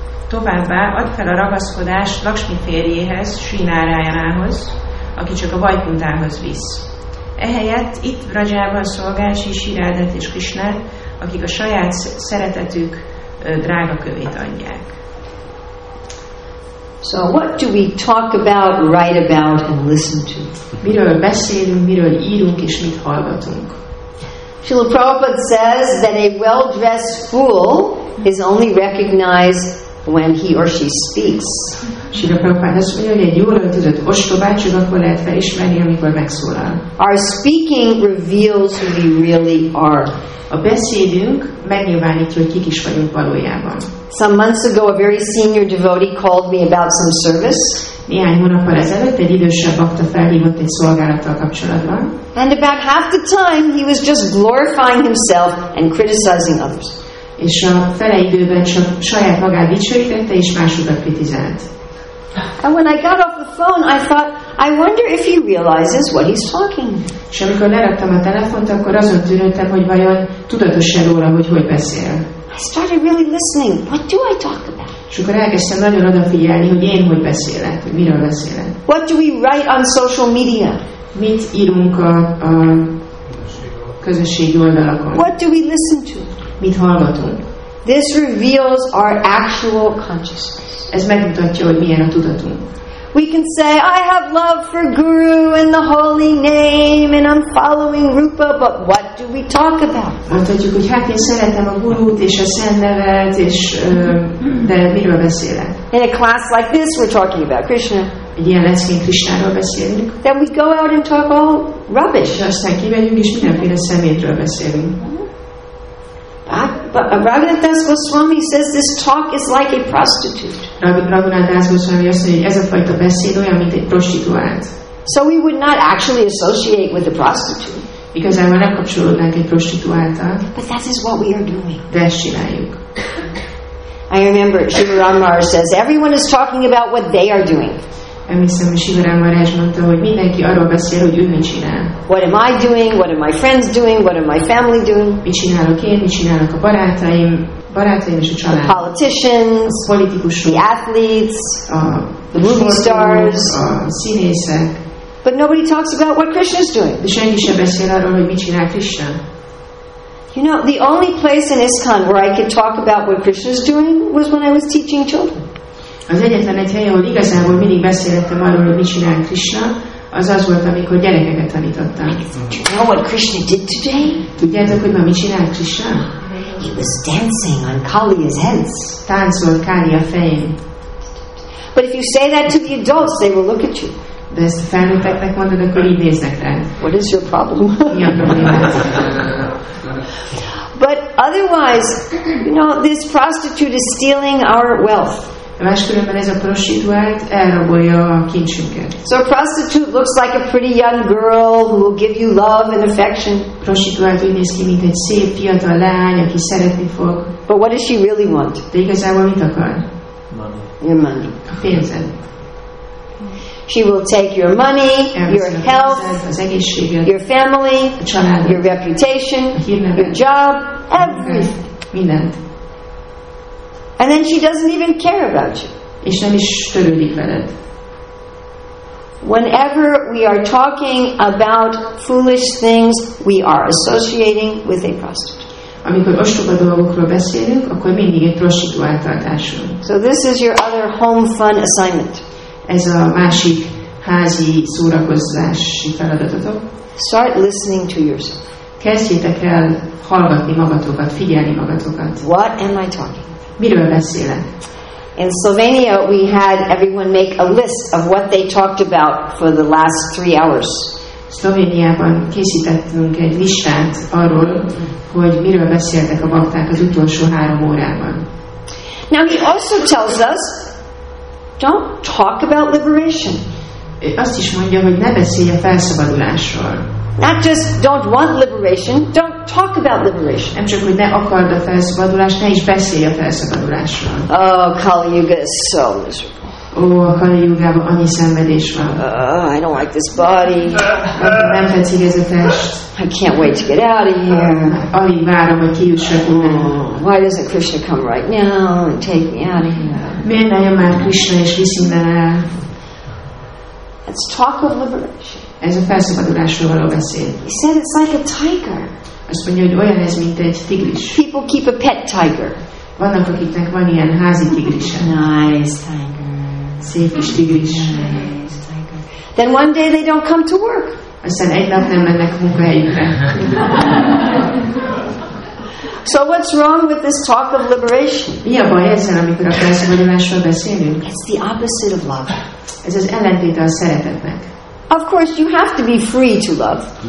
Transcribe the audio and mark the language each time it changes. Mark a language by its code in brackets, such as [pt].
[hu] Továbbá add fel a ragaszkodást Lakshmi férjéhez, Sri Narayanához, aki csak a Vaikunthához visz. Ehelyett itt Vrajában szolgál Sri Radhát és Krishnát, akik a saját szeretetük drága kövét adják. [en] So what do we talk about, write about and listen to? [hu] Miről beszélünk, miről írunk és mit hallgatunk? [en] Srila Prabhupada says that a well-dressed fool is only recognized when he or she speaks. [hu] Srila Prabhupada azt mondja, hogy egy jól öltözött ostobát csak akkor lehet felismerni, amikor megszólal. [en] Our speaking reveals who we really are. [hu] A beszédünk megnyilvánítja, hogy kik is vagyunk valójában. [en] Some months ago, a very senior devotee called me about some service. [hu] Néhány hónappal ezelőtt egy idősebb bakta felhívott egy szolgálattal kapcsolatban. [en] And about half the time, he was just glorifying himself and criticizing others. [hu] És a fele időben csak saját magát dicsőítette és másokat kritizált. [en] And when I got off the phone, I thought, I wonder if he realizes what he's talking. [hu] És amikor leraktam a telefont, akkor azon tűnődtem, hogy vajon tudatos-e róla, hogy hogy beszél. [en] I started really listening. What do I talk about? [hu] És akkor elkezdtem nagyon odafigyelni, hogy én hogy beszélek, hogy miről beszélek. [en] What do we write on social media? [hu] Mit írunk a közösségi oldalakon? [en] What do we listen to? [hu] Mit hallgatunk? [en] This reveals our actual consciousness. [hu] Ez megmutatja, hogy milyen a tudatunk. [en] We can say, I have love for Guru and the holy name, and I'm following Rupa, but what do we talk about? [hu] Mondhatjuk, hogy hát én szeretem a Gurút és a Szent Nevet, és de miről beszélek? [en] In a class like this, we're talking about Krishna. [hu] Egy ilyen leszként Krishnáról beszélünk. [en] Then we go out and talk all rubbish. [hu] És aztán kimegyünk, és mindenféle szemétről beszélünk. [en] But Raghunath Das Goswami says this talk is like a prostitute. [hu] Raghunath Das Goswami azt mondja, hogy ez a fajta beszéd olyan, mint egy prostituált. [en] So we would not actually associate with a prostitute. Because I'm not sure that a prostituálta. But that is what we are doing. [hu] De ezt csináljuk. [en] I remember Shivaram Maharaj says everyone is talking about what they are doing. [hu] Emlékszem, hogy Shivaram Maharaj mondta, hogy mindenki arról beszél, hogy ő mit csinál. [en] What am I doing? What are my friends doing? What are my family doing? [hu] Mit csinálok én? Mit csinálnak a barátaim? Barátaim és a család. [en] The politicians. [hu] A politikusok. [en] The athletes. The movie stars. [hu] A színészek. [en] But nobody talks about what Krishna is doing. [hu] De senki sem beszél arról, hogy mit csinál Krishna. [en] You know, the only place in ISKCON where I could talk about what Krishna is doing was when I was teaching children. [hu] Az egyetlen egy helyen, ahol igazából mindig beszélettem arról, hogy mit csinál Krishna, az volt, amikor gyerekeket tanítottam. [en] Do you know what Krishna did today? [hu] Tudjátok, hogy ma mit csinál Krishna? [en] He was dancing on Kaliya's heads. [hu] Táncol Kaliya fején. [en] But if you say that to the adults, they will look at you. [hu] De ezt a felnőtteknek mondod, akkor így néznek rá. [en] What is your problem? [hu] Mi a problémát? [en] But otherwise, you know, this prostitute is stealing our wealth. [hu] Máskülönben ez a prostituált elrabolja a kincsünket. [en] So a prostitute looks like a pretty young girl who will give you love and affection. [hu] Prostituált úgy néz ki, mint egy szép fiatal lány, aki szeretni fog. [en] But what does she really want? [hu] De igazából mit akar? [en] Money. Your money. [hu] A pénzed. [en] She will take your money, your health, your family, your reputation, your job, everything. [hu] Mindent. [en] And then she doesn't even care about you. [hu] És nem is törődik veled. [en] Whenever we are talking about foolish things, we are associating with a prostitute. [hu] Amikor ostoba dolgokról beszélünk, akkor mindig egy prostituáltal társulunk. [en] So this is your other home fun assignment. [hu] Ez a másik házi szórakozási feladatotok. [en] Start listening to yourself. [hu] Kezdjétek el hallgatni magatokat, figyelni magatokat. [en] What am I talking? [hu] Miről beszélek? [en] In Slovenia, we had everyone make a list of what they talked about for the last 3 hours. [hu] Szlovéniában készítettünk egy listát arról, hogy miről beszéltek a bakták az utolsó 3 órában. [en] Now he also tells us, don't talk about liberation. [hu] Azt is mondja, hogy ne beszélj a felszabadulásról. [en] Not just don't want liberation, don't talk about liberation. [hu] Nem csak, hogy ne akard a felszabadulást, ne is beszélj a felszabadulásról. [en] Oh, Kali Yuga is so miserable. [hu] Oh, a Kali Yugában annyi szenvedés van. [en] I don't like this body. [hu] Nem tetszik ez a test. [en] I can't wait to get out of here. [hu] Ami várom, hogy kijussak. [en] Why doesn't Krishna come right now and take me out of here? [hu] Miért ne jön már Krishna és viszi innen el? [en] Let's talk of liberation. [hu] Ez a felszabadulásról való beszél. [en] He said it's like a tiger. [hu] Azt mondja, hogy olyan ez, mint egy tigris. [en] People keep a pet tiger. [hu] Vannak, akiknek van ilyen házi tigrise. [en] Nice tiger. [hu] Szép kis tigris. [en] Then one day they don't come to work. [hu] Aztán egy nap nem mennek munkahelyükre. [en] So what's wrong with this talk of liberation? [hu] Mi a baj ezzel, amikor a felszabadulásról beszélünk? [en] It's the opposite of love. [hu] Ez az ellentéte a szeretetnek. [en] Of course, you have to be free to love.